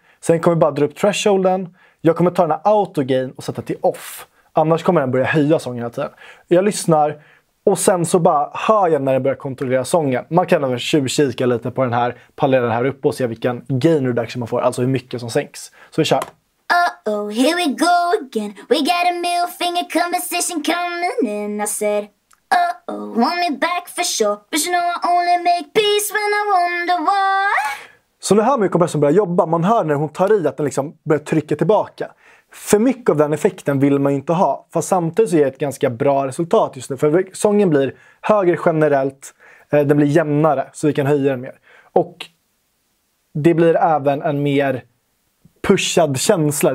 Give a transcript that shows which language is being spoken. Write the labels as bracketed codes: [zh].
[sv] Sen kommer vi bara dra upp thresholden. Jag kommer ta den här autogain och sätta till off. Annars kommer den börja höja sången hela tiden. Jag lyssnar och sen så bara hör jag när den börjar kontrollera sången. Man kan även tjuvkika lite på den här paletten här uppe och se vilken gain reduction man får, alltså hur mycket som sänks. Så vi kör. [en] Uh-oh, here we go again. We got a middle finger conversation coming in, I said. Uh-oh, want me back for sure. But you know I only make peace when I wonder why. [sv] Så nu hör man ju kompressorn börja jobba. Man hör när hon tar i att den liksom börjar trycka tillbaka. För mycket av den effekten vill man ju inte ha. Fast samtidigt så ger det ett ganska bra resultat just nu. För sången blir högre generellt. Den blir jämnare så vi kan höja den mer. Och det blir även en mer pushad känsla.